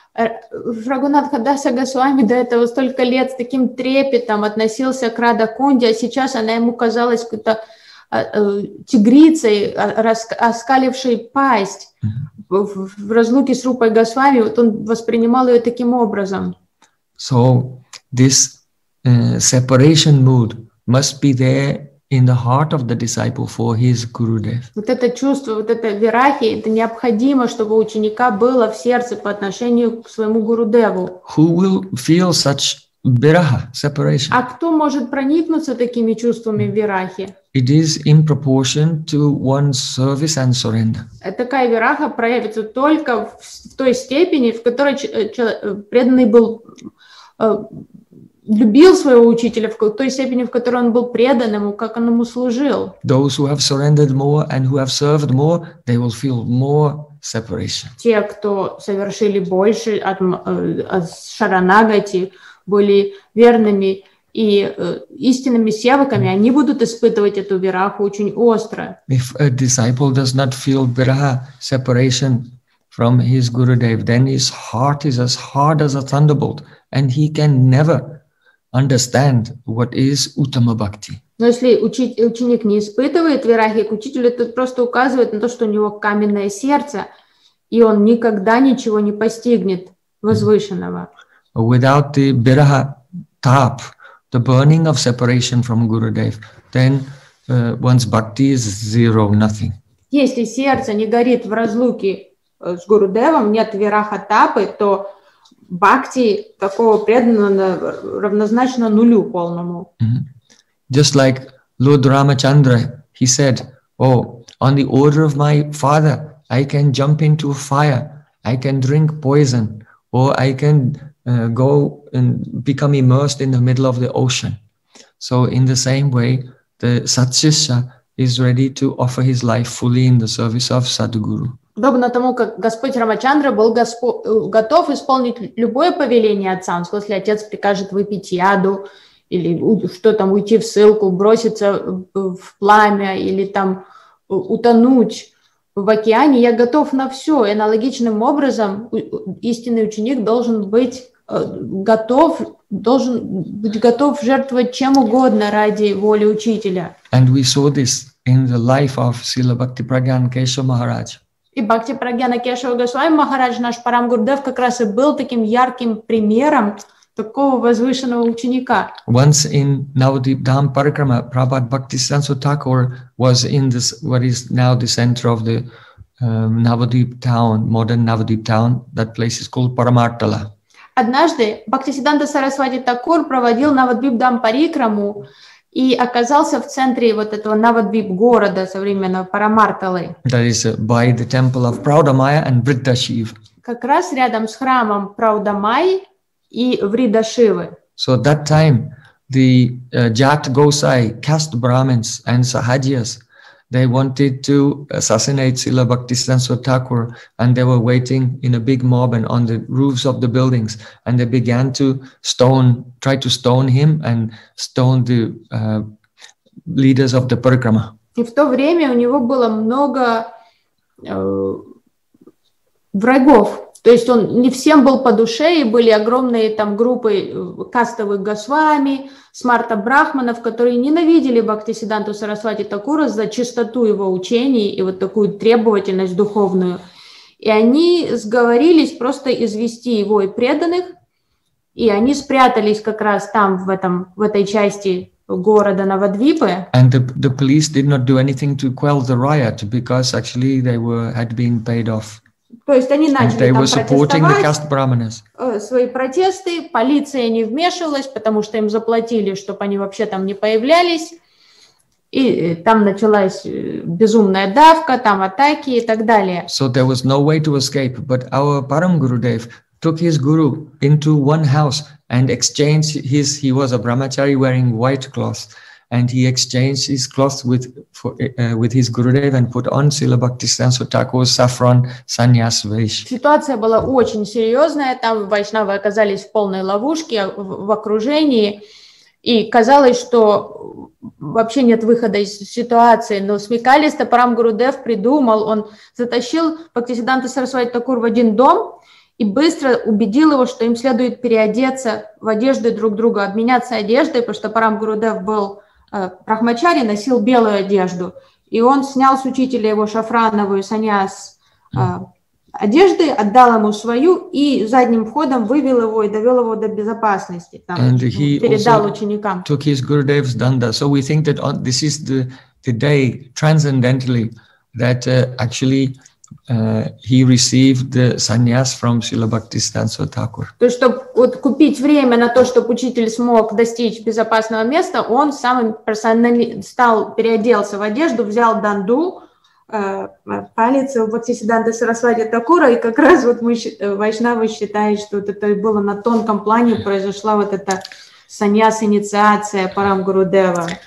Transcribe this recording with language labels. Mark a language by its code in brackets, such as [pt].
[ru] Raghunatha Das Goswami до этого столько лет с таким трепетом относился к Радхакунде, а сейчас она ему казалась какой-то тигрицей, оскалившей пасть. В разлуке с Рупой Госвами вот он воспринимал ее таким образом. [en] So this separation mood must be there in the heart of the disciple for his Gurudev. [ru] Вот это чувство, вот это вирахи, это необходимо, чтобы у ученика было в сердце по отношению к своему Гурудеву. [en] Who will feel such viraha, separation? [ru] А кто может проникнуться такими чувствами вирахи? [en] It is in proportion to one's service and surrender. [ru] Такая вираха проявится только в той степени, в которой преданный был любил своего учителя, в той степени, в которой он был предан ему, как он ему служил. [en] Those who have surrendered more and who have served more, they will feel more separation. [ru] Те, кто совершили больше от шаранагати, были верными и истинными севаками, они будут испытывать эту вираху очень остро. [en] If a disciple does not feel viraha, separation from his Gurudev, then his heart is as hard as a thunderbolt and he can never understand what is uttama bhakti. [ru] Но если ученик не испытывает вирахи к учителю, это просто указывает на то, что у него каменное сердце, и он никогда ничего не постигнет возвышенного. [en] Without the viraha tap, the burning of separation from Gurudev, then one's bhakti is zero, nothing. [ru] Если сердце не горит в разлуке с Гурудевом, нет вирахатапы, то бхакти такого преданного равнозначно нулю полному. Mm-hmm. [en] Just like Lord Ramachandra, he said, oh, on the order of my father, I can jump into a fire, I can drink poison, or I can go and become immersed in the middle of the ocean. So in the same way, the satshishya is ready to offer his life fully in the service of Sadhguru. [ru] Подобно тому, как Господь Рамачандра был готов исполнить любое повеление отца, он сказал, если отец прикажет выпить яду, или что там, уйти в ссылку, броситься в пламя, или там утонуть в океане, я готов на все. И аналогичным образом истинный ученик должен быть готов, должен быть готов жертвовать чем угодно ради воли учителя. [en] And we saw this in the life of Srila Bhakti Pragyan Kesava Maharaj. [ru] И Бхакти Прагьяна Кешава Госвами Махарадж, наш Парам Гурудев, как раз и был таким ярким примером такого возвышенного ученика. [en] Once in Navadvip Dham Parikrama, Prabhupada Bhaktisiddhanta Thakur was in this, what is now the center of the Navadvip town, modern Navadvip town, that place is called Paramartala. [ru] Однажды Бхактисиддханта Сарасвати Такур проводил Навадвип Дам Парикраму и оказался в центре вот этого Навадвип города современного Парамарталы. [en] That is by the temple of Праудамая and Вриддашив. [ru] Как раз рядом с храмом Праудамай и Вриддашивы. [en] So at that time the Jat Gosai caste Brahmins and Sahajiyas, they wanted to assassinate Srila Bhaktisiddhanta Thakur, and they were waiting in a big mob and on the roofs of the buildings, and they began to try to stone him and stone the leaders of the parikrama. [ru] И в то время у него было много врагов. То есть он не всем был по душе, и были огромные там группы кастовых госвами, смарта-брахманов, которые ненавидели Бхактисиддханту Сарасвати Такура за чистоту его учений и вот такую требовательность духовную. И они сговорились просто извести его и преданных, и они спрятались как раз там, в этой части города Навадвипы. [en] And the police did not do anything to quell the riot, because actually they had been paid off. [ru] То есть они начали там протестовать свои протесты, полиция не вмешивалась, потому что им заплатили, чтобы они вообще там не появлялись, и там началась безумная давка, там атаки и так далее. [en] So there was no way to escape, but our Param Gurudev took his guru into one house and exchanged his, he was a brahmachari wearing white cloth, and he exchanged his cloth with his Gurudev and put on Srila Bhaktisiddhanta Thakur's saffron sannyas vesh. [ru] Ситуация была очень серьезная. Там вайшнавы оказались в полной ловушке, в окружении. И казалось, что вообще нет выхода из ситуации. Но смекалист Парам Гурудев придумал. Он затащил Бхактисиддханта Сарасвати Такур в один дом и быстро убедил его, что им следует переодеться в одежды друг друга, обменяться одеждой, потому что Парам Гурудев был брахмачари, носил белую одежду, и он снял с учителя его шафрановую саньяс одежды, отдал ему свою и задним входом вывел его и довел его до безопасности. Там, [en] and he [ru] передал ученикам. [en] Took his Gurudev's danda. So we think that this is the day transcendentally that actually he received the sannyas from Srila Bhaktisiddhanta Thakur. [ru] То есть, чтобы вот купить время на то, чтобы учитель смог достичь безопасного места, он сам переоделся в одежду, взял данду, палец у Бхактисиддханта Сарасвати Такура, и как раз вот вайшнавы считают, что вот это было на тонком плане, произошла вот эта саньяс-инициация Парам Гурудева.